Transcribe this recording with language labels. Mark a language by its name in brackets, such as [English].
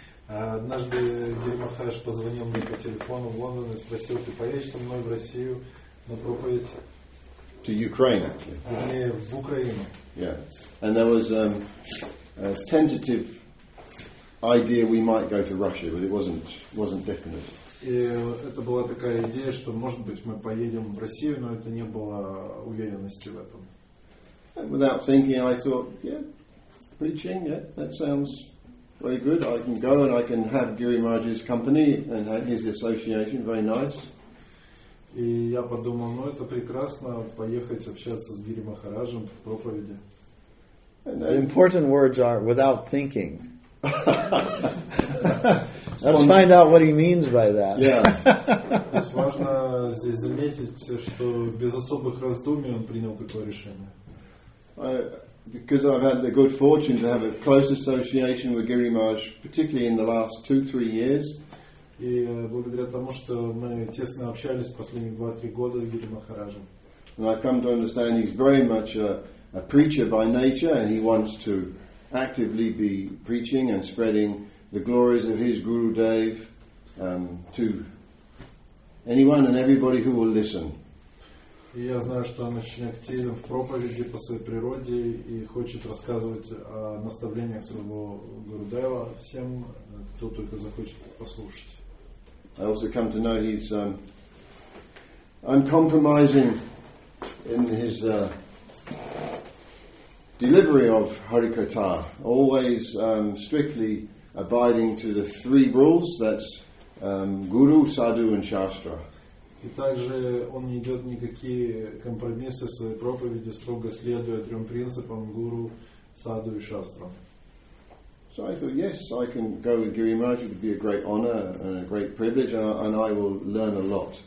[Russian] Однажды Гуру Махарадж позвонил мне по телефону в Лондон и спросил, "Ты поедешь со мной в Россию на проповедь?" [English] To Ukraine, actually. Yeah. And there was a tentative idea we might go to Russia, but it wasn't definite. [Russian] И это была такая идея, что может быть мы поедем в Россию, но это не было уверенности в этом. [English] And without thinking, I thought, yeah, preaching, yeah, that sounds very good. I can go and I can have Giri Maharaj's company and his association, very nice. [Russian] И я подумал, ну это прекрасно, поехать общаться с Гири Махараджем в проповеди. [English] The important words are without thinking. Let's find out what he means by that. Yeah. [Russian] Важно здесь заметить, что без особых раздумий он принял такое решение. [English] Because I've had the good fortune to have a close association with Giri Maharaj, particularly in the last 2-3 years. [Russian] И благодаря тому, что мы тесно общались последние 2-3 года с Гири Махараджем. [English] And I come to understand he's very much a preacher by nature, and he wants to actively be preaching and spreading the glories of his Guru Dev to anyone and everybody who will listen. [Russian] И я знаю, что он очень активен в проповеди по своей природе и хочет рассказывать о наставлениях своего Гуру Дева всем, кто только захочет послушать. [English] I also come to know he's uncompromising in his delivery of Harikatha, always strictly abiding to the three rules, that's Guru, Sadhu and Shastra. [Russian] И также он не идет никакие компромиссы в своей проповеди, строго следуя трем принципам Гуру, Саду и Шастра. [English] So I thought, yes, I can go with Giri Maharaj, it would be a great honor and a great privilege, and I will learn a lot.